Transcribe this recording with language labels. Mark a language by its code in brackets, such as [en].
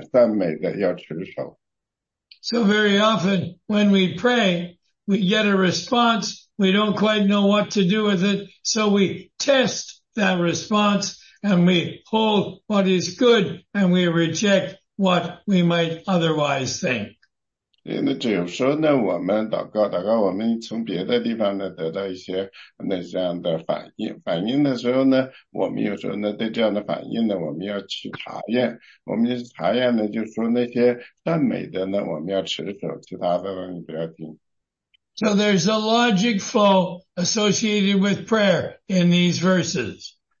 [zh] 所以这个时候呢，你有时候呢，你就会去跟别人说，你就比如说呢，你说哦，这个我祷告是什么什么样的，然后呢，别人也许也他跟你说，他说哦，你那个祷告并不是这样的，你得到结果呢，也并不是啊什么什么样的，所以这第二十一节经文说呢，你不要总是听他们呢去说，所以这个二十一节说凡事查验赞美的要持守。So [en] very often when we pray, we get a response, we don't quite know what to do with it, so we test that response and we hold what is good and we reject what we might otherwise think. [zh] 那只有说呢，我们祷告，我们从别的地方呢得到一些那这样的反应。反应的时候呢，我们有时候呢对这样的反应呢，我们要去查验。我们查验呢，就说那些赞美的呢，我们要持守，其他的呢你不要听。 [en] So there's a logic flow associated with prayer in these verses.